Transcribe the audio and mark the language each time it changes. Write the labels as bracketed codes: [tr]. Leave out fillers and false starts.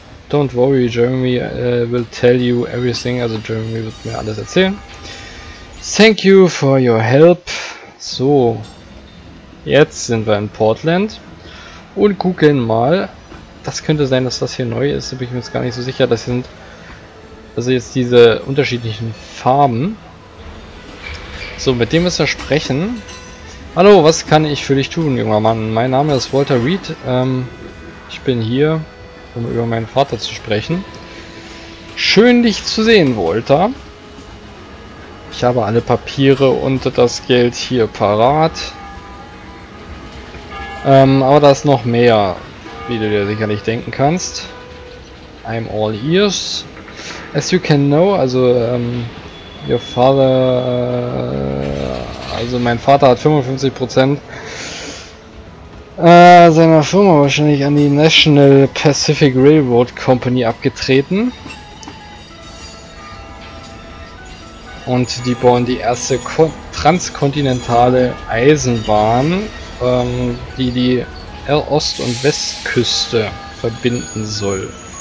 [en] Don't worry, Jeremy will tell you everything. [de] Also Jeremy wird mir alles erzählen. [en] Thank you for your help. [de] So, jetzt sind wir in Portland und gucken mal. Das könnte sein, dass das hier neu ist. Da bin ich mir jetzt gar nicht so sicher. Das sind also jetzt diese unterschiedlichen Farben. So, mit dem müssen wir sprechen. Hallo, was kann ich für dich tun, junger Mann? Mein Name ist Walter Reed. Ich bin hier, um über meinen Vater zu sprechen. Schön, dich zu sehen, Walter. Ich habe alle Papiere und das Geld hier parat. Aber da ist noch mehr, wie du dir sicherlich denken kannst. [en] I'm all ears. As you can know, also your father... [de] also mein Vater hat 55% seiner Firma wahrscheinlich an die National Pacific Railroad Company abgetreten. Und die bauen die erste transkontinentale Eisenbahn, die Ost- und Westküste verbinden soll.